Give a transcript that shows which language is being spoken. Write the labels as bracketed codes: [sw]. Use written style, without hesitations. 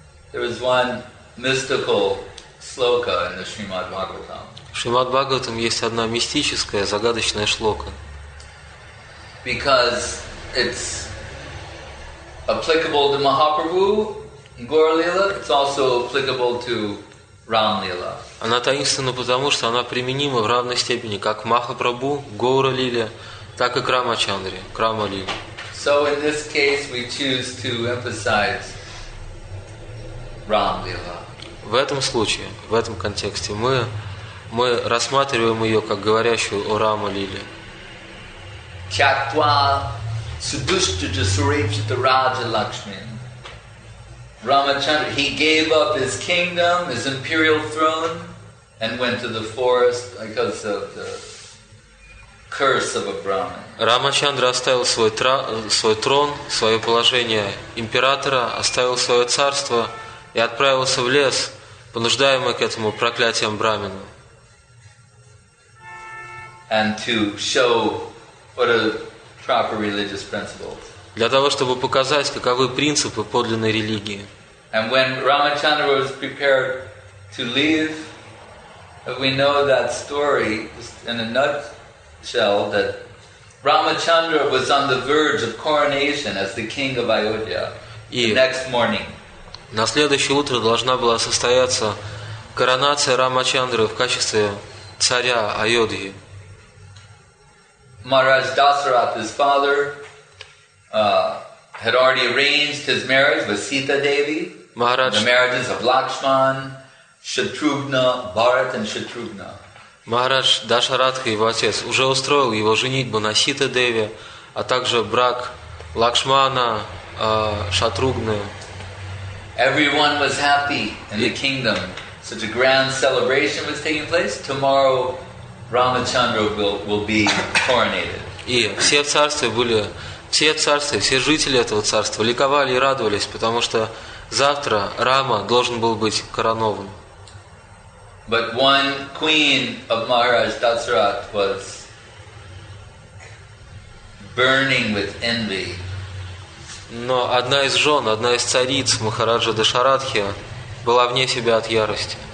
[en] There is one mystical sloka in the Srimad Bhagavatam. [ru] В Шримад Бхагаватам есть одна мистическая, загадочная шлока. [en] Because it's applicable to Mahaprabhu Gauralila, it's also applicable to Ramlila. [ru] Она таинственна потому, что она применима в равной степени как Махапрабху Гауралиле, так и к Рамачандре, к Рамалиле. [en] So in this case we choose to emphasize Ramlila. [ru] В этом случае, в этом контексте, мы рассматриваем ее как говорящую о Рама-лиле. [sa] Чаква судуштуджа сурепшита раджа лакшмин. [en] Рамачандра, he gave up his kingdom, his imperial throne, and went to the forest because of the curse of a Brahmin. [ru] Рамачандра оставил свой трон, свое положение императора, оставил свое царство и отправился в лес, понуждаемый к этому проклятием брахмана. [en] And to show what are proper religious principles. [ru] Для того, чтобы показать, каковы принципы подлинной религии. [en] And when Ramachandra was prepared to leave, we know that story just in a nutshell, that Ramachandra was on the verge of coronation as the king of Ayodhya the next morning. [ru] На следующее утро должна была состояться коронация Рамачандры в качестве царя Айодхи. [en] Maharaj Dasarath, his father, had already arranged his marriage with Sita Devi. Maharaj... The marriages of Lakshman, Shatrughna, Bharat and Shatrughna. [ru] Maharaj Dasharatha, его отец, уже устроил его женитьбу на Сита Деви, а также брак Лакшмана, Шатругны. [en] Everyone was happy in the kingdom. Such a grand celebration was taking place. Tomorrow, Ramachandra will be coronated. [ru] И все в царстве были, все в царстве, все жители этого царства ликовали и радовались, потому что завтра Рама должен был быть коронован. [en] But one queen of Maharaj Dasarath was burning with envy. [ru] Но одна из жен, одна из цариц Махараджа Дашаратхи была вне себя от ярости.